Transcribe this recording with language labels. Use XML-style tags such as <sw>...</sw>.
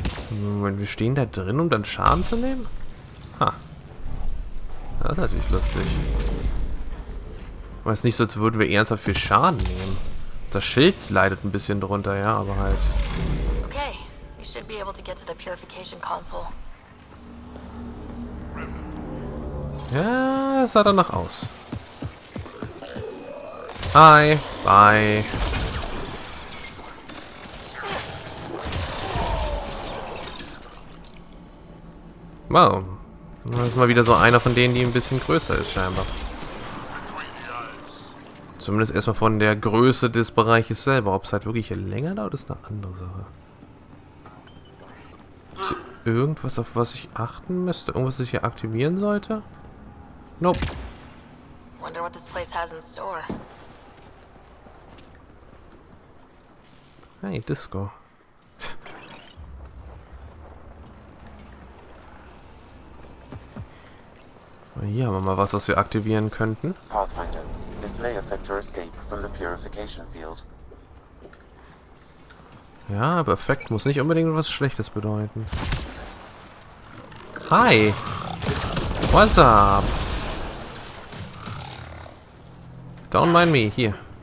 <de>Moment, wir stehen da drin, um dann Schaden zu nehmen? Ha. Das ist natürlich lustig. Aber es ist nicht so, als würden wir ernsthaft viel Schaden nehmen. Das Schild leidet ein bisschen drunter, ja, aber halt.</de> <en>Okay, we should be able to get to the purification console.</en> <de>Ja, es sah danach aus. Hi, bye. Wow. Das ist mal wieder so einer von denen, die ein bisschen größer ist, scheinbar. Zumindest erstmal von der Größe des Bereiches selber. Ob es halt wirklich länger dauert, ist eine andere Sache. irgendwas, auf was ich achten müsste? Irgendwas, was ich hier aktivieren sollte? Nope.</de> <en>Wonder what this place has in store. Hey, Disco.</en> <de>Hier haben wir mal was, was wir aktivieren könnten.</de> <en>Pathfinder, this may affect your escape from the purification field.</en> <de>Ja, aber Effekt muss nicht unbedingt was Schlechtes bedeuten.</de> <en>Hi! What's up? Don't mind me, hier.</en>